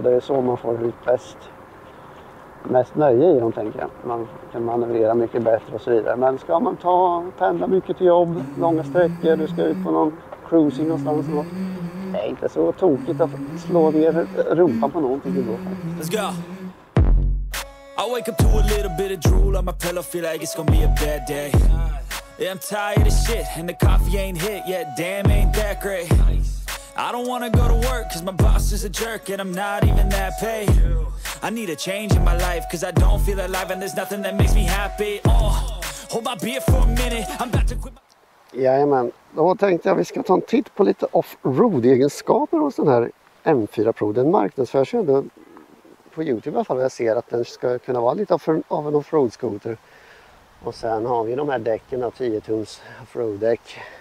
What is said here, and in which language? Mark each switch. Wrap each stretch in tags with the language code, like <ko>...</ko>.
<sv>Det är så man får ut mest nöje i dem, tänker jag. Man kan manövrera mycket bättre och så vidare. Men ska man pendla mycket till jobb, långa sträckor, du ska ut på någon cruising någonstans och det är inte så tokigt att slå ner rumpan på någonting då.</sv> <en>Let's go. I wake up to a little bit of drool on my pillow, feel like it's gonna be a bad day. I'm tired of shit and the coffee ain't hit yet, damn ain't that great. I don't wanna go to work cause my boss is a jerk and I'm not even that paid. I need a change in my life cause I don't feel alive and there's nothing that makes me happy. Hold my beer for a minute, I'm about to quit my...</en> <sv>Jajamän, då tänkte jag att vi ska ta en titt på lite off-road-egenskaper hos den här M4 Pro. Den marknadsförs ju på YouTube i alla fall, jag ser att den ska kunna vara lite av en off-road-skoter. Och sen har vi de här däcken, 10-tums off-road-däck.</sv>